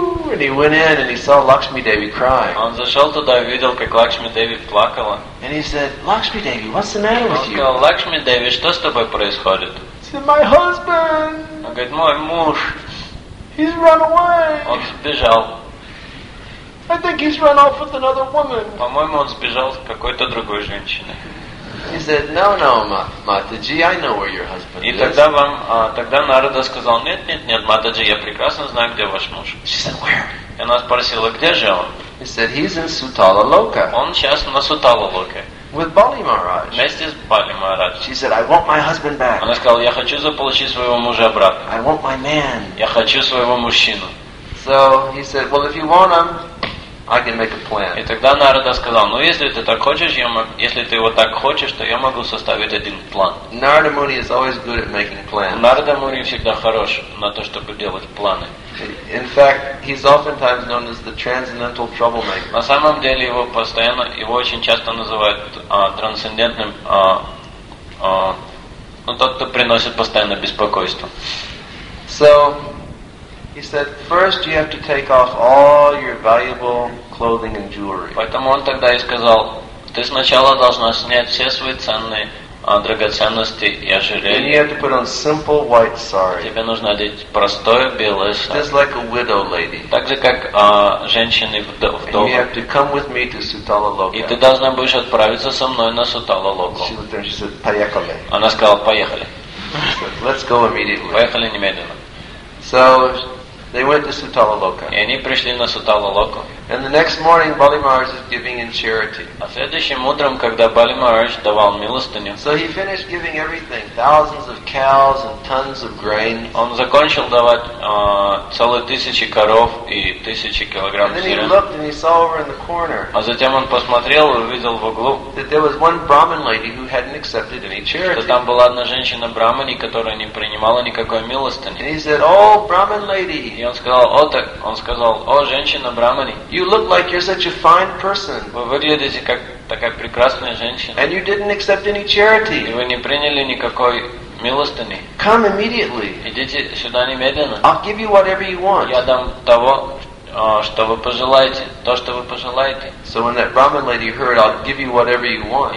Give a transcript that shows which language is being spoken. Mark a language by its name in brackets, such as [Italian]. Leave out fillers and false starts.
[English] And he went in and he saw Lakshmi Devi cry. [Russian] Он зашел туда и видел, как Лакшми Деви плакала. [English] And he said, "Lakshmi Devi, what's the matter with you?" [Russian] Он сказал, Лакшми Деви, что с тобой происходит? [English] Said, "My husband." [Russian] Он говорит, мой муж. [English] He's run away. [Russian] Он сбежал. [English] I think he's run off with another woman. [Russian] По-моему, он сбежал с какой-то другой женщиной. [English] He said, "No, Mataji, I know where your husband is." [Russian] И тогда вам, тогда Нарада сказал, нет, Матаджи, я прекрасно знаю, где ваш муж. [English] She said, "Where?" [Russian] И она спросила, где же он? [English] He said, "He's in Sutala Loka." [Russian] Он сейчас на Сутала Локе. [English] With Bali Maharaj. [Russian] Вместе с Бали Махарадж. [English] She said, "I want my husband back." [Russian] Она сказала, я хочу заполучить своего мужа обратно. [English] "I want my man." [Russian] Я хочу своего мужчину. [English] So he said, "Well, if you want him, I can make a plan." [Russian] И тогда Нарада сказал, ну если ты так хочешь, если ты его так хочешь, то я могу составить один план. [English] Narada Muni is always good at making plans. [Russian] Нарада Муни всегда хорош на то, чтобы делать планы. [English] In fact, he's oftentimes known as the transcendental troublemaker. [Russian] На самом деле его постоянно, его очень часто называют трансцендентным, тот, кто приносит постоянно беспокойство. [English] So he said, "First, you have to take off all your valuable clothing and jewelry." [Russian] Поэтому он тогда и сказал, ты сначала должна снять все свои ценные драгоценности и ожерелье. [English] And you have to put on simple white sari. [Russian] Тебе нужно одеть простое белое сари. [English] Just like a widow lady. [Russian] Так же, как женщины вдовы. [English] And you have to come with me to Sutala Loka. [Russian] И ты должна будешь отправиться со мной на Сутала Локу. [English] She said, [Russian] "Поехали." Она сказала, поехали. [English] Let's go immediately. [Russian] Поехали немедленно. [English] So they went to Sutala Loka. [Russian] И они пришли на Сутала Локу. [English] And the next morning, Bali Maharaj is giving in charity. [Russian] А следующим утром, когда Бали Махарадж давал милостыню. [English] So he finished giving everything, thousands of cows and tons of grain. [Russian] Он закончил давать целые тысячи коров и тысячи килограмм зерен. [English] And then he looked and he saw over in the corner. [Russian] А затем он посмотрел и увидел в углу. [English] That there was one Brahmin lady who hadn't accepted any charity. [Russian] Что там была одна женщина-брамани, которая не принимала никакой милостыни. [English] And he said, "Oh, Brahmin lady." [Russian] И он сказал, о, женщина брахмани, [English] you look like you're such a fine person. [Russian] Вы выглядите как такая прекрасная женщина. [English] And you didn't accept any charity. [Russian] И вы не приняли никакой милостыни. [English] Come immediately. [Russian] Идите сюда немедленно. [English] I'll give you whatever you want. [Russian] Я дам того, что вы пожелаете, то, что вы пожелаете. [English] So when that Brahmin lady heard, I'll give you whatever you want.